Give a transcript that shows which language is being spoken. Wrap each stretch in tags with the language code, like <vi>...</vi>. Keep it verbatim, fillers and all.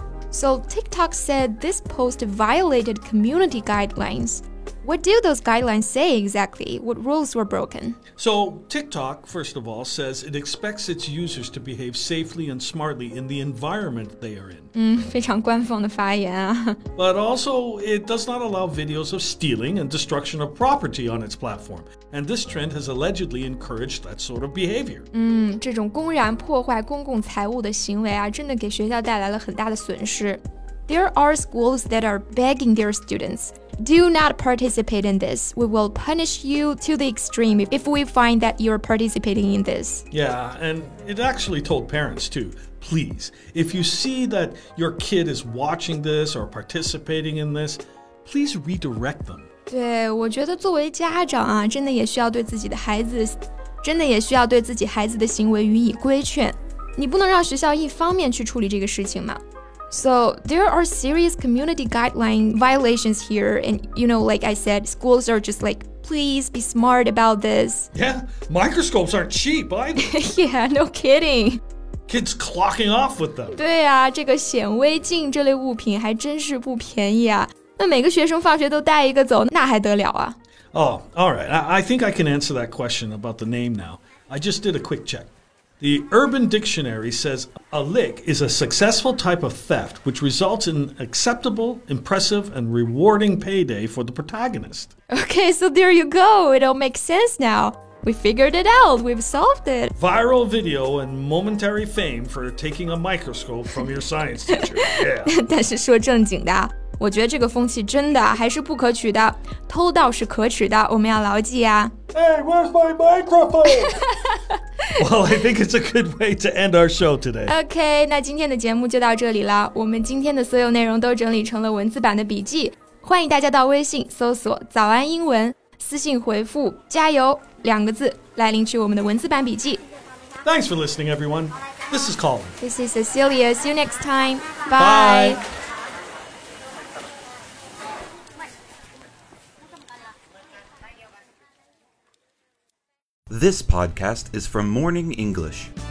<en>So TikTok said this post violated community guidelines. What do those guidelines say exactly? What rules were broken? So TikTok, first of all, says it expects its users to behave safely and smartly in the environment they are in.</en> <zh>嗯，非常官方的发言啊。</zh> <en>But also, it does not allow videos of stealing and destruction of property on its platform. And this trend has allegedly encouraged that sort of behavior.</en> <zh>嗯，这种公然破坏公共财物的行为啊，真的给学校带来了很大的损失。</zh> <en>There are schools that are begging their students, do not participate in this. We will punish you to the extreme if we find that you're participating in this. Yeah, and it actually told parents too, please, if you see that your kid is watching this or participating in this, please redirect them.</en> <zh>对，我觉得作为家长啊，真的也需要对自己的孩子，真的也需要对自己孩子的行为予以规劝。你不能让学校一方面去处理这个事情嘛。</zh> <en>So there are serious community guideline violations here. And, you know, like I said, schools are just like, please be smart about this. Yeah, microscopes aren't cheap either. Yeah, no kidding. Kids clocking off with them.</en> <zh>对啊，这个显微镜这类物品还真是不便宜啊。那每个学生放学都带一个走，那还得了啊？</zh> <en>Oh, all right. I, I think I can answer that question about the name now. I just did a quick check. The Urban Dictionary says a lick is a successful type of theft which results in an acceptable, impressive, and rewarding payday for the protagonist. Okay, so there you go. It all makes sense now. We figured it out. We've solved it. Viral video and momentary fame for taking a microscope from your science teacher. Yeah.</en> <zh>但是说正经的，我觉得这个风气真的还是不可取的，偷盗是可耻的，我们要牢记啊。</zh> <en>Hey, where's my microphone? Well, I think it's a good way to end our show today.</en> <zh>Okay, 那今天的节目就到这里了。我们今天的所有内容都整理成了文字版的笔记，欢迎大家到微信搜索“早安英文”，私信回复“加油”两个字来领取我们的文字版笔记。</zh> <en>Thanks for listening, everyone. This is Colin. This is Cecilia. See you next time. Bye. Bye. This podcast is from Morning English.</en>